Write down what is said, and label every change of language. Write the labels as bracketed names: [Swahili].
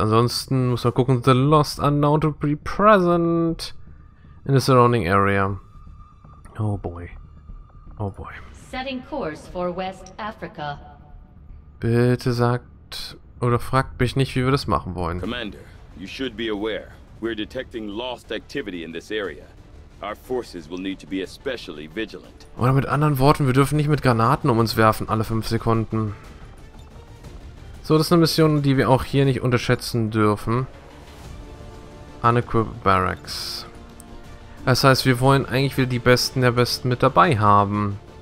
[German] Ansonsten muss man gucken, [English] the Lost Unknown to be present in the surrounding area. Oh boy. Oh boy. Setting course for West Africa. [German] Bitte sagt oder fragt mich nicht, wie wir das machen wollen. [English] Commander, you should be aware. We're detecting lost activity in this area. Our forces will need to be especially vigilant. [German] Oder mit anderen Worten, wir dürfen nicht mit Granaten um uns werfen, alle 5 Sekunden. So, das ist eine Mission, die wir auch hier nicht unterschätzen dürfen. [English] Unequip Barracks. [German] Das heißt, wir wollen eigentlich wieder die Besten der Besten mit dabei haben.